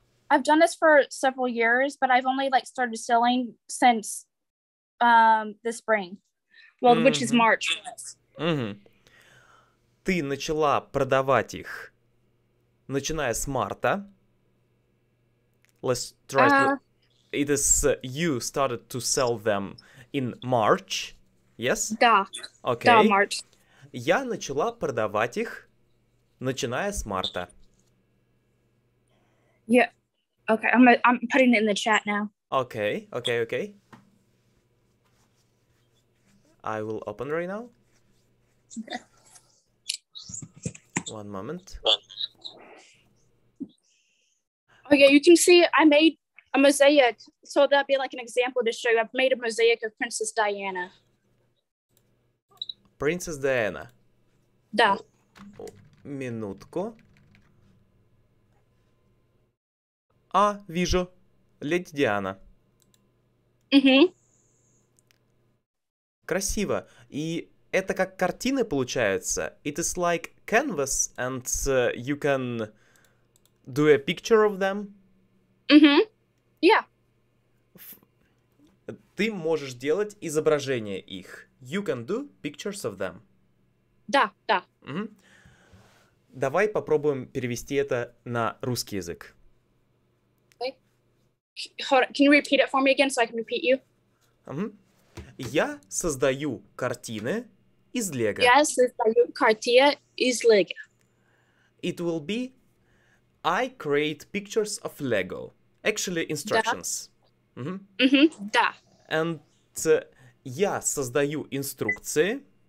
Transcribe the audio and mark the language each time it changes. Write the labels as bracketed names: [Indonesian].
[English] I've done this for several years, but I've only like started selling since the spring. Well, mm-hmm. which is March. Mm-hmm. [Russian] Ты начала продавать их, начиная с марта. [English] Let's try to... It is you started to sell them in March, yes? [Russian] Да. [English] Okay. [Russian] Да, March. Я начала продавать их, начиная с марта. [English] Yeah. Okay, I'm putting it in the chat now. Okay. I will open right now. Okay. One moment. Oh yeah, you can see I made a mosaic. So that'd be like an example to show you. I've made a mosaic of Princess Diana. Princess Diana. [Russian] Да. Минутку. А, вижу. Леди Диана. Угу. Красиво. И это как картины получается. [English] It is like canvas and you can do a picture of them. Угу. Yeah. [Russian] Ты можешь делать изображение их. [English] You can do pictures of them. [Russian] Да, да. Угу. Давай попробуем перевести это на русский язык. [English] Hold on. Can you repeat it for me again so I can repeat you? Mm-hmm. [Russian] Я создаю картины из Лего. Я создаю картины из Лего. [English] It will be I create pictures of Lego. Actually, instructions. Да. Mm-hmm. Mm-hmm. [Russian] And я создаю инструкции.